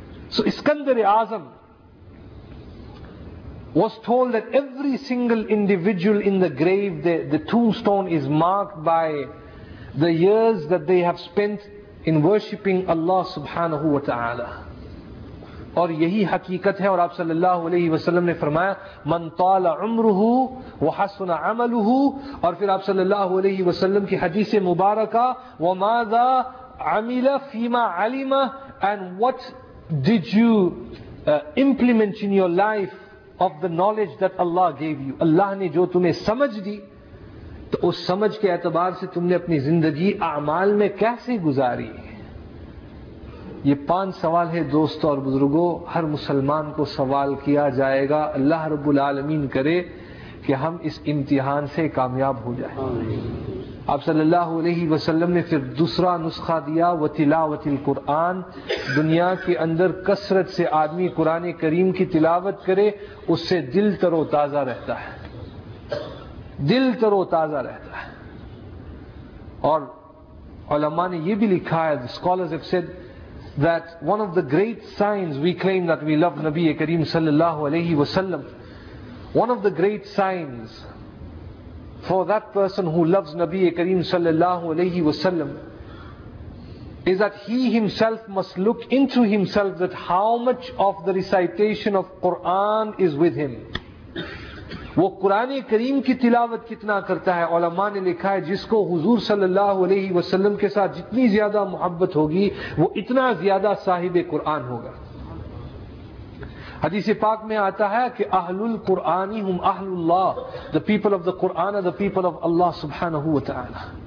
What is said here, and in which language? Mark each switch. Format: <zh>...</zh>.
<en>So اسکندر اعظم was told that every single individual in the grave the tombstone is marked by the years that they have spent in worshipping اللہ سبحانہ و تعالی.</en> <ur>اور یہی حقیقت ہے. اور آپ صلی اللہ علیہ وسلم نے فرمایا</ur> <ar>من طال عمره وحسن عمله.</ar> <ur>اور پھر آپ صلی اللہ علیہ وسلم کی حدیث مبارکہ</ur> <ar>وماذا عمل فيما علم</ar> <en>and what did you implement in your life of the knowledge that Allah gave you.</en> <ur>اللہ نے جو تمہیں سمجھ دی تو اس سمجھ کے اعتبار سے تم نے اپنی زندگی اعمال میں کیسے گزاری. یہ پانچ سوال ہے دوستو اور بزرگو, ہر مسلمان کو سوال کیا جائے گا. اللہ رب العالمین کرے کہ ہم اس امتحان سے کامیاب ہو جائیں. آپ صلی اللہ علیہ وسلم نے پھر دوسرا نسخہ دیا وتلاوت القرآن. دنیا کے اندر کثرت سے آدمی قرآن کریم کی تلاوت کرے اس سے دل تر و تازہ رہتا ہے, دل تر و تازہ رہتا ہے. اور علماء نے یہ بھی لکھا ہے,</ur> <en>scholars have said that one of the great signs we claim that we love Nabi Kareem sallallahu alayhi wa sallam, one of the great signs for that person who loves Nabi Kareem sallallahu alayhi wa sallam is that he himself must look into himself that how much of the recitation of Quran is with him.</en> <ur>وہ قرآن کریم کی تلاوت کتنا کرتا ہے. علماء نے لکھا ہے جس کو حضور صلی اللہ علیہ وسلم کے ساتھ جتنی زیادہ محبت ہوگی وہ اتنا زیادہ صاحب قرآن ہوگا. حدیث پاک میں آتا ہے کہ</ur> <ar>اہل القرآن ہم اہل اللہ,</ar> <en>the people of the Quran are the people of Allah سبحانہ وتعالی.</en>